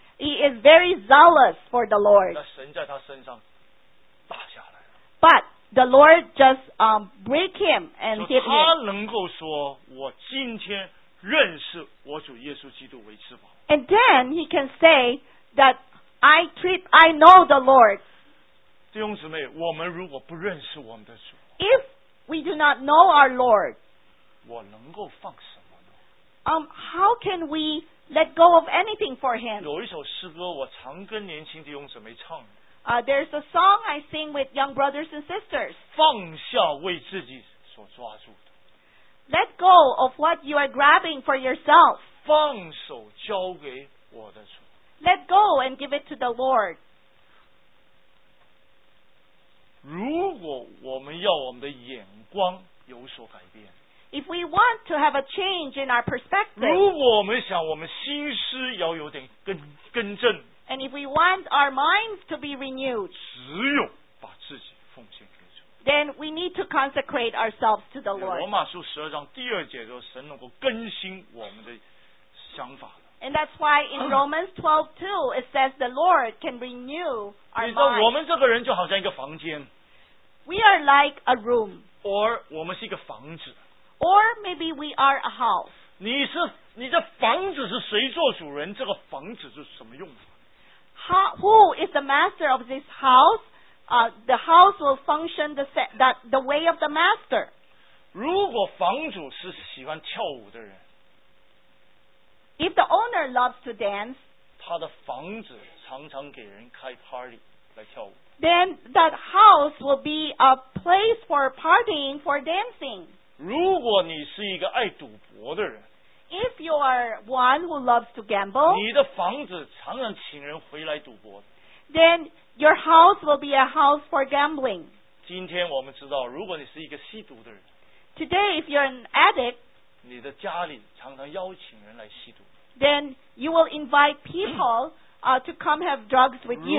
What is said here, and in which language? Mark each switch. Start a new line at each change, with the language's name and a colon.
English: He is very zealous for the Lord.
Chinese: 那神在他身上打下来了。
English: But the Lord just break him and hit him.
Chinese: 他能够说，我今天认识我主耶稣基督为至宝。
English: And then he can say that I know the Lord.
Chinese: 弟兄姊妹，我们如果不认识我们的主
English: ，If we do not know our Lord，
Chinese: 我能够放什么呢
English: ？How can we let go of anything for Him？
Chinese: 有一首诗歌，我常跟年轻弟兄姊妹唱。
English: There's a song I sing with young brothers and sisters。
Chinese: 放下为自己所抓住的。
English: Let go of what you are grabbing for yourself。
Chinese: 放手交给我的主。
English: Let go and give it to the Lord。
Chinese: 如果我们要我们的眼光有所改变
English: If we want to have a change in our perspective
Chinese: 如果我们想我们心思要有点 更正
English: And if we want our minds to be renewed
Chinese: 只有把自己奉献给主
English: Then we need to consecrate ourselves to the Lord
Chinese: 罗马书十二章第二节说神能够更新我们的想法
English: And that's why in Romans 12:2 it says the Lord can renew our minds
Chinese: 你知道我们这个人就好像一个房间
English: We are like a room.
Chinese: Or 我们是一个房子。
English: Or maybe we are a house.
Chinese: 你的房子是谁做主人？这个房子是什么用法
English: ？Who is the master of this house? The house will function the way of the master.
Chinese: 如果房主是喜欢跳舞的人
English: ，If the owner loves to dance，
Chinese: 他的房子常常给人开 party 来跳舞。
English: Then that house will be a place for partying, for dancing.
Chinese: 如果你是一个爱赌博的人
English: If you are one who loves to gamble,
Chinese: 你的房子常常请人回来赌博
English: Then your house will be a house for gambling.
Chinese: 今天我们知道，如果你是一个吸毒的人
English: Today, if you're an addict,
Chinese: 你的家里常常邀请人来吸毒
English: Then you will invite people to come have drugs with you.